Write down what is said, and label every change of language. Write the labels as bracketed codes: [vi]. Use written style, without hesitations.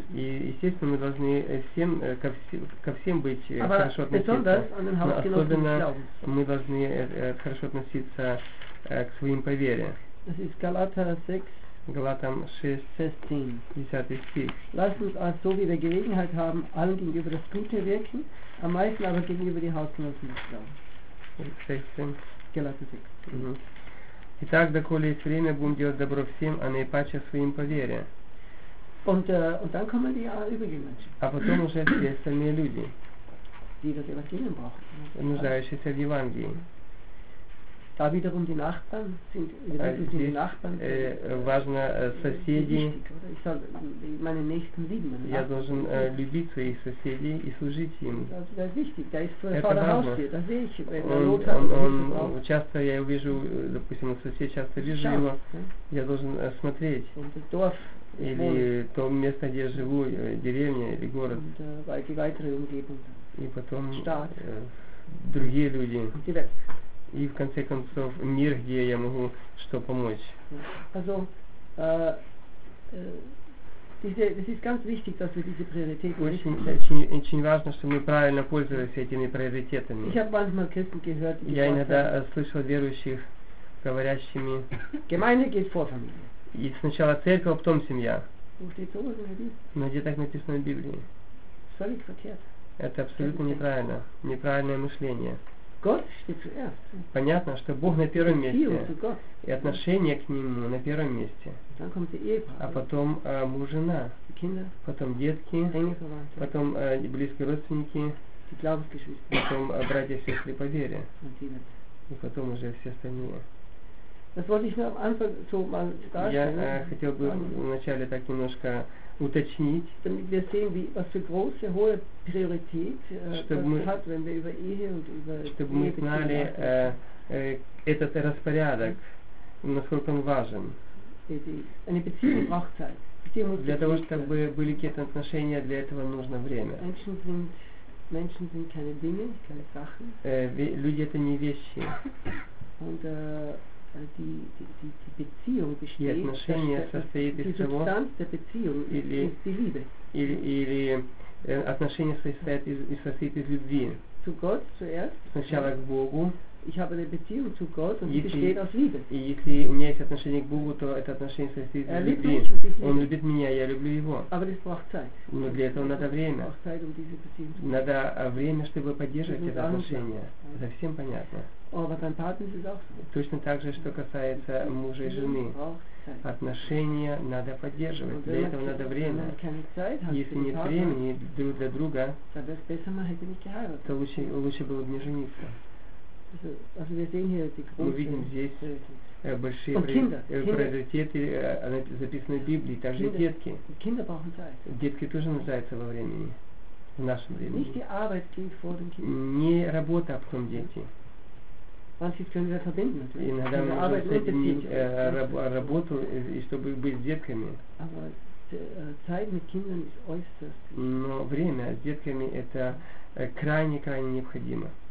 [ru] И естественно мы должны всем ко всем быть хорошо относиться, но особенно мы должны хорошо относиться к своим по вере. [de] Das ist Galater 6, Galatam 6, 16. Lasst uns also, so wie wir Gelegenheit haben, allen gegenüber das Gute wirken, am meisten aber gegenüber die Hausgenossen des Glaubens. 16. Galater 6. Mm-hmm. [ru] Итак, доколе есть время, будем делать добро всем, а наипаче своим по вере. [de] Und dann kommen die übrigen Menschen. [ru] А потом уже все остальные люди, [de] die das Evangelium brauchen. [ru] Нуждающиеся в Евангелии. [de] Da wiederum die Nachbarn sind, wir also sind die Nachbarn. [ru] Важно соседи. [de] Ich soll meine Nächsten lieben. Meine [ru] я должен любить своих соседей и служить им. [de] Das ist wichtig. Da ist vor der Haustür. Das sehe ich. [ru] Он часто я вижу, допустим, сосед часто вижу [de] schau. [ru] Его. Я должен смотреть. [de] Dorf, [ru] или то место, где я живу, деревня или город. [de] Die weitere Umgebung. [ru] И потом [de] Staat. [ru] Другие люди. [de] Die Welt. [ru] И в конце концов мир, где я могу что помочь. [de] Also, das ist ganz wichtig, dass wir diese Prioritäten [ru] очень важно, что мы правильно пользуемся этими приоритетами. [de] Ich habe manchmal Christen gehört, die [ru] я иногда слышал верующих говорящими. [de] Gemeinde geht vor Familie. [ru] И сначала церковь, а потом семья. [de] Wo steht sowas in der Bibel? [ru] Но где так написано в Библии? [de] Völlig verkehrt. [ru] Это абсолютно неправильно, неправильное мышление. [de] Gott steht zuerst. [ru] Понятно, что Бог на первом месте. [de] Gott. [ru] И отношение к Нему на первом месте. [de] Dann kommt die Ehepaar, [ru] а потом муж, жена. [de] Die Kinder, [ru] потом детки. Потом близкие родственники. [de] Die Glaubensgeschwister, [ru] потом братья и сестры по вере. [de] Und [ru] и потом уже все остальные. [de] Das wollte ich nur am Anfang so mal darstellen. [ru] Я хотел бы вначале так немножко уточнить, [de] damit wir sehen, wie, was für große, hohe Priorität das hat, wenn wir über Ehe und über [ru] чтобы мы знали этот распорядок, насколько он важен. [de] Eine Beziehung braucht Zeit. [ru] Для того, чтобы были какие-то отношения, для этого нужно время. [de] Menschen sind keine Dinge, keine Sachen. [ru] Люди – это не вещи. [de] Und die Beziehung besteht, [ru] die отношения состоит из [de] того, Substanz der Beziehung [ru] или, [de] ist die Liebe. [ru] Или отношения состоит из любви. [de] Zu Gott zuerst. [ru] Сначала к Богу. [de] Ich habe eine Beziehung zu Gott und die besteht aus Liebe. [ru] И если у меня есть отношение к Богу, то это отношение состоит из любви. Он любит меня, я люблю его. [de] Aber das braucht Zeit. [ru] Но для этого надо время. [de] Zeit, um diese Beziehung zu [ru] надо время, чтобы поддерживать это отношение. Это всем понятно. [de] Aber dein Partner ist auch so. [ru] Точно так же, что касается мужа и жены. Отношения надо поддерживать. Для этого надо время. Если нет времени друг для друга, то лучше было бы не жениться. [de] Also wir sehen hier die großen [ru] мы видим здесь большие приоритеты, записанные в Библии, также [de] Kinder. [ru] Детки. [de] Kinder brauchen Zeit. [ru] Детки тоже нуждаются во времени, в нашем времени. [de] Nicht die Arbeit geht vor den Kindern. [ru] Не работа, а потом дети. [de] Manches können wir verbinden. [ru] Иногда [de] wir [ru] нужно соединить работу, и чтобы быть с детками. [de] Aber Zeit mit Kindern ist äußerst. [ru] Но время с детками – это крайне-крайне необходимо.